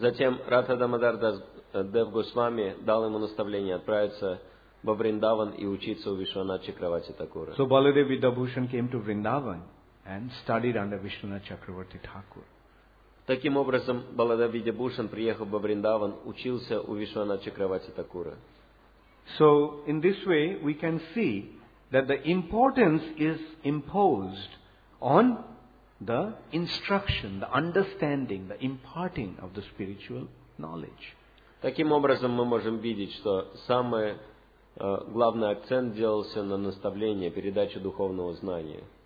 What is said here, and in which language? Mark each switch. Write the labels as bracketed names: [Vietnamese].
[Russian] Затем Радха Дамодар Дев Госвами дал ему наставление отправиться во Вриндаван и учиться у Вишванатха Чакраварти Такура. [English] So Баладева Видьябхушан came to Vrindavan and studied under Vishwanath Chakravarti Thakur. [Russian] Таким образом, Баладева Видьябхушан приехал во Вриндаван, учился у Вишванатха Чакраварти Такура. [English] So in this way we can see that the importance is imposed on the instruction, the understanding, the imparting of the spiritual knowledge. [Russian] Таким образом, мы можем видеть, что самое главный акцент делался на наставление, передаче духовного знания.